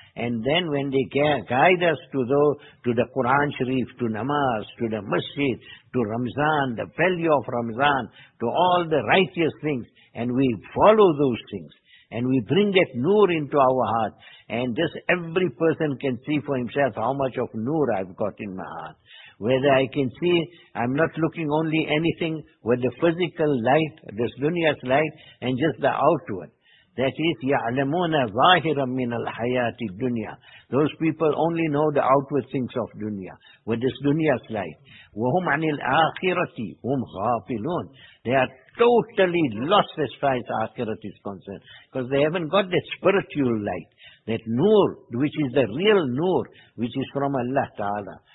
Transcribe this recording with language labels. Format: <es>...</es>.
<en>And then when they guide us to the Quran Sharif, to namaz, to the masjid, to Ramzan, the value of Ramzan, to all the righteous things, and we follow those things, and we bring that nur into our heart, and this every person can see for himself how much of nur I've got in my heart. Whether I can see, I'm not looking only anything with the physical light, this dunya's light, and just the outward. That is,</en> <ar>يَعْلَمُونَ ظَاهِرًا مِّنَ الْحَيَاةِ الدُّنْيَا.</ar> <en>Those people only know the outward things of dunya, with this dunya's light.</en> <ar>وَهُمْ عَنِ الْآخِرَةِ هُمْ غَافِلُونَ.</ar> <en>They are totally lost as far as akhirat is concerned, because they haven't got that spiritual light, that nur, which is the real nur, which is from Allah Ta'ala.</en>